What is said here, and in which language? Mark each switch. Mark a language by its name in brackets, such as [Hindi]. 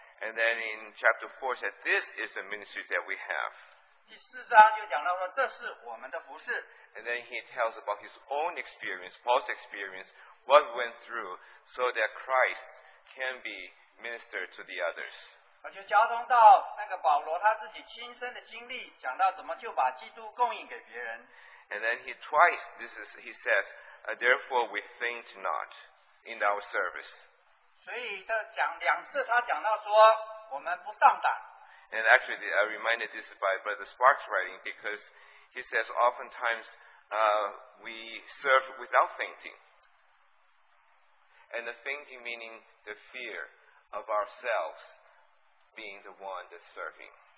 [English] And then in chapter 4, said this is the ministry that we have. [Chinese] 第四章就讲到说，这是我们的服事。 [English] And then he tells about his own experience, Paul's experience, what went through so that Christ can be ministered to the others. [Chinese] 就交通到那个保罗他自己亲身的经历，讲到怎么就把基督供应给别人。 [English] And then he twice, this is, he says, therefore we faint not in our service. [Chinese] 所以他讲两次，他讲到说我们不上胆。 [English] And actually, I reminded this by Brother Sparks' writing because he says oftentimes we serve without fainting. And the fainting meaning the fear of ourselves being the one that's serving.